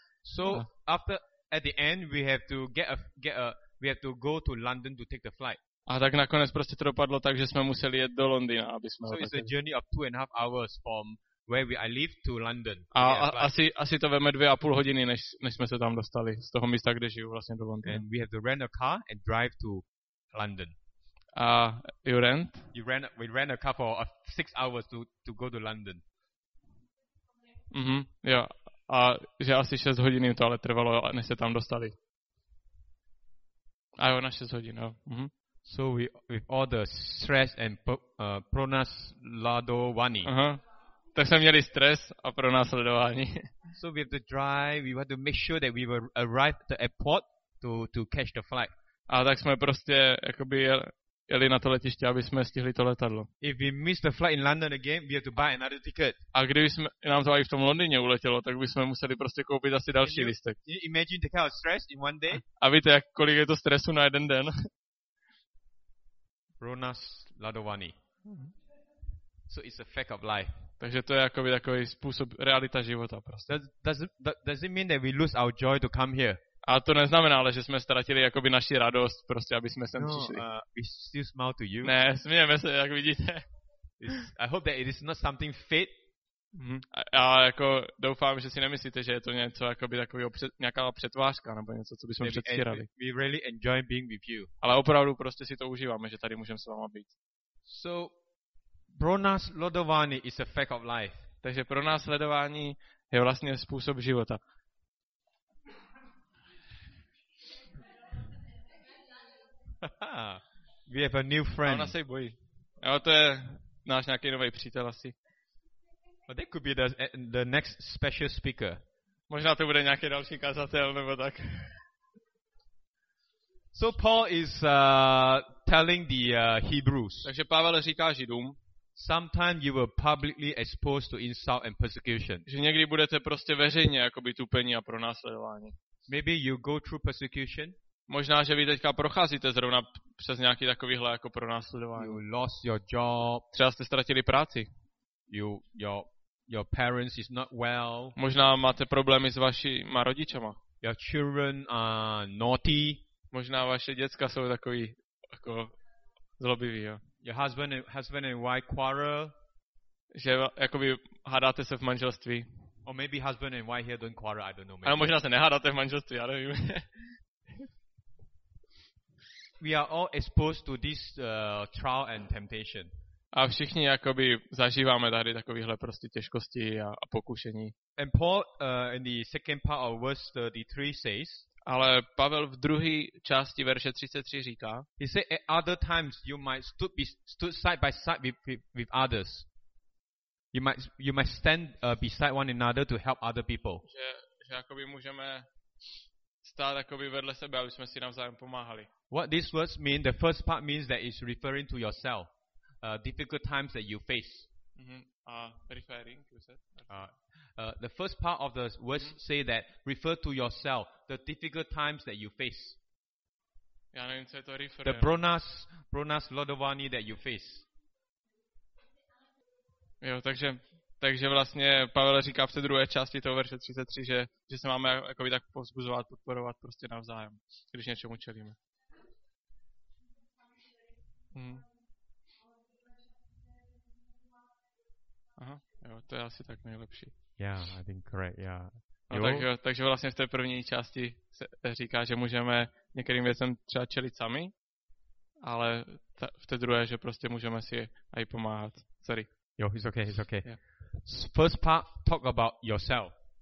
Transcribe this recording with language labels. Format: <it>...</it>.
<en>So after at the end we have to go to London to take the flight.</en> <cs>A tak nakonec prostě to dopadlo tak, že jsme museli jet do Londýna, aby jsme.</cs> <en>So it's a journey of 2.5 hours from where I live to London.</en> <cs>Asi to veme 2.5 hodiny, než jsme se tam dostali z toho místa, kde žiju, vlastně do Londýna.</cs> <en>And we have to rent a car and drive to London. We rent a car for 6 hours to go to London.</en> <cs>Mhm. Jo. A že asi 6 hodin to ale trvalo, než se tam dostali. A jo, na 6 hodin, jo. Mhm.</cs> <en>So with all the stress and pronásledování. Aha.</en> <cs>Tak jsme měli stres a pronásledování.</cs> <en>So we have to drive, we have to make sure that we will arrive at the airport to catch the flight.</en> <cs>A tak jsme prostě jakoby jeli na to letiště, aby jsme stihli to letadlo.</cs> <en>If we miss the flight in London again, we have to buy another ticket.</en> <cs>A kdyby jsme nám to i v tom Londýně uletělo, tak bychom museli prostě koupit asi další lístek.</cs> <en>Can you imagine the kind of stress in one day?</en> <cs>A víte, kolik je to stresu na jeden den?</cs> <en>Pronásledování. So it's a fact of life.</en> <cs>Takže to je jakoby takový způsob, realita života prostě.</cs> <en>Does it mean that we lose our joy to come here?</en> <cs>A to neznamená, ale že jsme ztratili jakoby naši radost prostě, aby jsme sem přišli.</cs> <en>We still smile to you.</en> <cs>Ne, smějeme se, jak vidíte.</cs> <en>I hope that it is not something fate. Mm-hmm.</en> <cs>A jako doufám, že si nemyslíte, že je to něco jakoby takový nějaká přetvářka nebo něco, co bychom předstírali.</cs> <en>We really enjoy being with you.</en> <cs>Ale opravdu prostě si to užíváme, že tady můžeme s váma být.</cs> <en>So pronásledování is a fact of life.</en> <cs>Takže pronásledování je vlastně způsob života.</cs> <en>We have a new friend.</en> <cs>Ona se bojí. Jo, to je náš nějaký nový přítel asi.</cs> <en>But that could be the next special speaker.</en> <cs>Možná to bude nějaký další kazatel nebo tak.</cs> <en>So Paul is telling the Hebrews.</en> <cs>Takže Pavel říká Židům.</cs> <en>Sometimes you will publicly exposed to insult and persecution.</en> <cs>Že někdy budete prostě veřejně jakoby tupení a pronásledování.</cs> <en>Maybe you go through persecution.</en> <cs>Možná, že vy teďka procházíte zrovna přes nějaký takovýhle jako pronásledování.</cs> <en>You lost your job.</en> <cs>Třeba jste ztratili práci.</cs> <en>Your parents is not well.</en> <cs>Možná máte problémy s vašima rodičama.</cs> <en>Your children are naughty.</en> <cs>Možná vaše děcka jsou takový jako zlobivý, jo.</cs> <en>Your husband and wife quarrel.</en> <cs>Že jakoby hádáte se v manželství.</cs> <en>Or maybe husband and wife here don't quarrel, I don't know.</en> <cs>Ano, možná se nehádáte v manželství, já nevím.</cs> <en>We are all exposed to this trial and temptation.</en> <cs>A všichni jakoby zažíváme tady takovéhle prostě těžkosti a pokušení.</cs> <en>And Paul in the second part of verse 33 says.</en> <cs>Ale Pavel v druhé části verše 33 říká.</cs> <en>He said at other times you might stood side by side with others. You might stand beside one another to help other people.</en> <cs>Že jakoby můžeme stát jakoby vedle sebe, aby jsme si navzájem pomáhali.</cs> <en>What these words mean, the first part means that it's referring to yourself. Difficult times that you face. Referring to yourself. The first part of the words say that refer to yourself, the difficult times that you face.</en> <cs>Já nevím, co je to refer.</cs> <en>The pronas lodovani that you face.</en> <cs>Jo, takže vlastně Pavel říká v té druhé části toho verše 33, že se máme jakoby tak povzbuzovat, podporovat prostě navzájem, když něčemu čelíme. Aha, jo, to je asi tak nejlepší.</cs> <en>Yeah, I think correct, yeah.</en> <cs>No, takže vlastně v té první části se říká, že můžeme některým věcem třeba čelit sami, ale v té druhé, že prostě můžeme si aj pomáhat.</cs> <en>Sorry. Jo, he's okay. Yeah. First part, talk about yourself.</en>